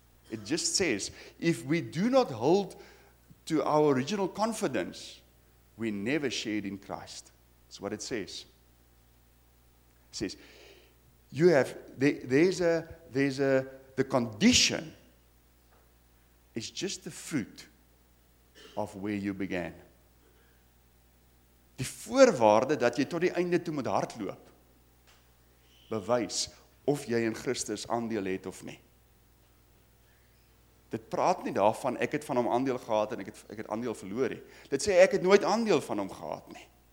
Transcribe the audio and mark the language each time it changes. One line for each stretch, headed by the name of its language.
English: It just says, if we do not hold to our original confidence, we never shared in Christ. That's what it says. It says, you have, the condition is just the fruit of where you began.
Afrikaans: Die voorwaarde dat jy tot die einde toe moet hardloop, bewys of jy in Christus aandeel het of nie. Dit praat nie daarvan, ek het van hom aandeel gehad en ek het aandeel verloor. Dit sê ek het nooit aandeel van hom gehad nie.